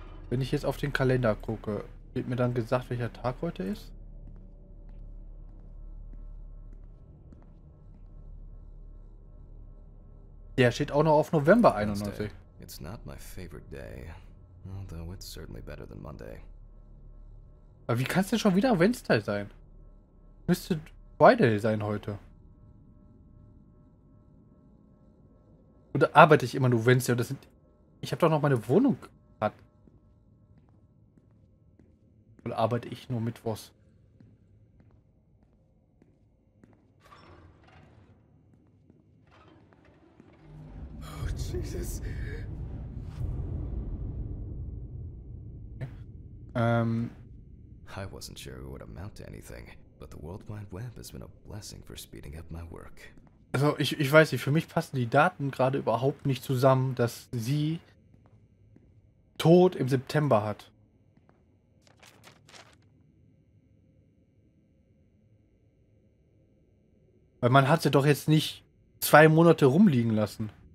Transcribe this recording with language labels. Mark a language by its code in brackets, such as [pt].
[de] Wenn ich jetzt auf den Kalender gucke, wird mir dann gesagt, welcher Tag heute ist? Der steht auch noch auf November 91. [en] It's not my favorite day, although it's certainly better than Monday. [de] Aber wie kann es denn schon wieder Wednesday sein? Müsste Friday sein heute. Oder arbeite ich immer nur Wednesday? Und das sind, ich habe doch noch meine Wohnung gehabt. Oder arbeite ich nur Mittwochs? [en] Oh, Jesus. I wasn't sure it would amount to anything, but the World Wide Web has been a blessing for speeding up my work. [de] Also ich weiß nicht, für mich passen die Daten gerade überhaupt nicht zusammen, dass sie Tod im September hat. Weil man hat sie doch jetzt nicht 2 Monate rumliegen lassen.